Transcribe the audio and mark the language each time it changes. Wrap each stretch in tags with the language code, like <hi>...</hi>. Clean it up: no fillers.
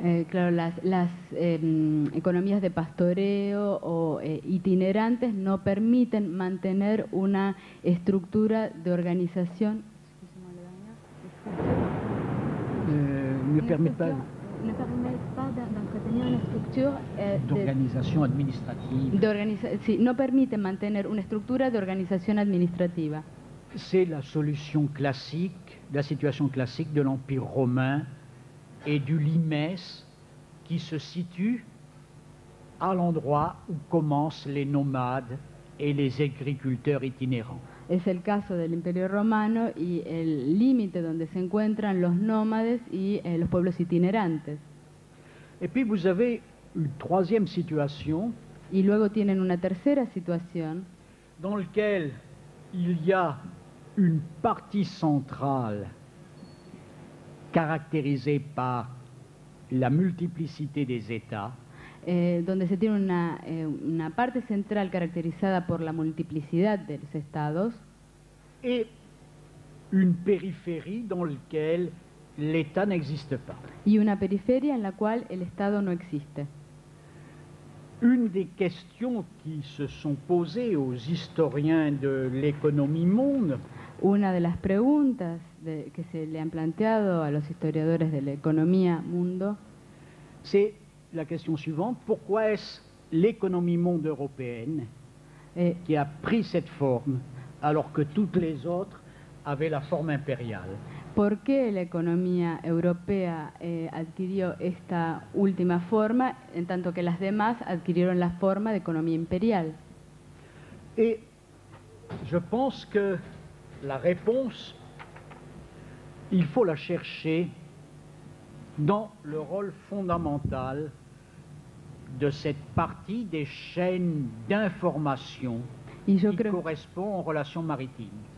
<es>Claro, las economías de pastoreo o itinerantes no permiten mantener una estructura de organización.</es> <fr>Ne permettent pas. ne permet pas d'entretenir une structure d'organisation administrative. Ne permet pas de maintenir une structure d'organisation administrative. C'est la solution classique, la situation classique de l'Empire romain et du limès qui se situe à l'endroit où commencent les nomades et les agriculteurs itinérants.</fr> <es>Es el caso del Imperio Romano y el límite donde se encuentran los nómades y los pueblos itinerantes.</es> <fr>Et puis vous avez une troisième situation.</fr> <es>Y luego tienen una tercera situación.</es> <fr>Dans lequel il y a une partie centrale caractérisée par la multiplicité des États.</fr> <es>Donde se tiene una parte central caracterizada por la multiplicidad de los estados</es> <fr>et une périphérie dans lequel l'État n'existe pas.</fr> <es>Y una periferia en la cual el estado no existe.</es> <fr>Une des questions qui se sont posées aux historiens de l'économie monde.</fr> <es>Una de las preguntas que se le han planteado a los historiadores de la economía mundo.</es> <fr>C'est la question suivante, pourquoi est-ce l'économie monde européenne qui a pris cette forme alors que toutes les autres avaient la forme impériale?</fr> <es>¿Por qué la economía europea adquirió esta última forma en tanto que las demás adquirieron la forma de economía imperial?</es> <fr>Et je pense que la réponse, il faut la chercher dans le rôle fondamental de cette partie des chaînes d'information qui correspond aux relations maritimes.</fr>